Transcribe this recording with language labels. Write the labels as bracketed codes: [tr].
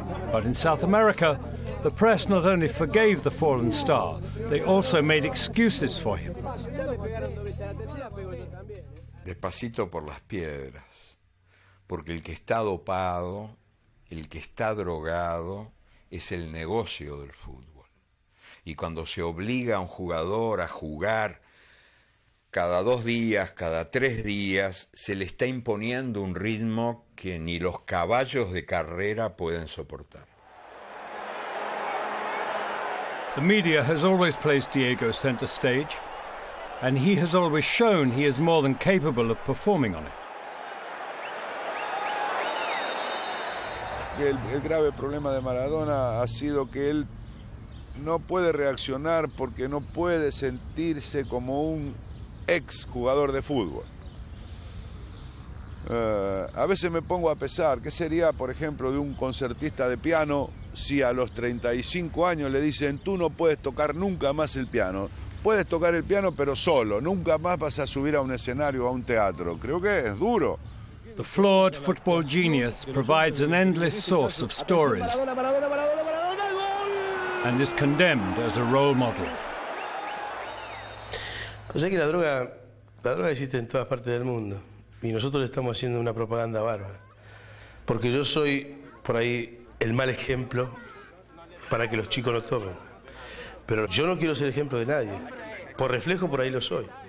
[en] But in South America, the press not only forgave the fallen star, they also made excuses for him. [es] Despacito por las piedras, porque el que está dopado, el que está drogado, es el negocio del fútbol. Y cuando se obliga a un jugador a jugar cada dos días, cada tres días, se le está imponiendo un ritmo que ni los caballos de carrera pueden soportar. [en] The media has always placed Diego center stage, and he has always shown he is more than capable of performing on it. [es] El grave problema de Maradona ha sido que él no puede reaccionar porque no puede sentirse como un ex jugador de fútbol. A veces me pongo a pensar, ¿qué sería, por ejemplo, de un concertista de piano si a los 35 años le dicen, tú no puedes tocar nunca más el piano? Puedes tocar el piano, pero solo. Nunca más vas a subir a un escenario o a un teatro. Creo que es duro. [en] The flawed football genius provides an endless source of stories and is condemned as a role model. [es] O sea que la droga existe en todas partes del mundo. Y nosotros le estamos haciendo una propaganda bárbara. Porque yo soy, por ahí, el mal ejemplo para que los chicos no tomen. Pero yo no quiero ser ejemplo de nadie. Por reflejo, por ahí lo soy.